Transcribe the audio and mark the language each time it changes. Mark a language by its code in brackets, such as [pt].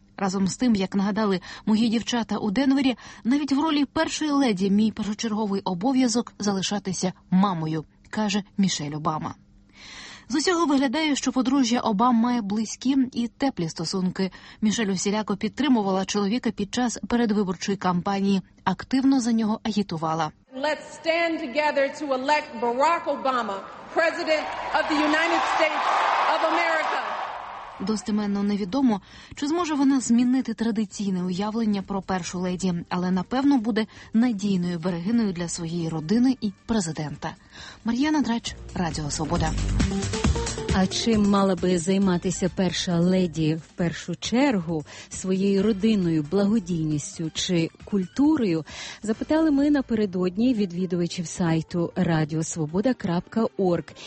[uk] Разом з тим, як нагадали мої дівчата у Денвері, навіть в ролі першої леді мій першочерговий обов'язок – залишатися мамою, каже Мішель Обама. З усього виглядає, що подружжя Обам має близькі і теплі стосунки. Мішель усіляко підтримувала чоловіка під час передвиборчої кампанії, активно за нього агітувала. [en] Let's stand together to elect Barack Obama, president of the United States of America. [uk] Достеменно невідомо, чи зможе вона змінити традиційне уявлення про першу леді, але напевно буде надійною берегиною для своєї родини і президента. Мар'яна Драч, Радіо Свобода. А чим мала би займатися перша леді в першу чергу, своєю родиною, благодійністю чи культурою, запитали ми напередодні відвідувачів сайту radiosvoboda.org.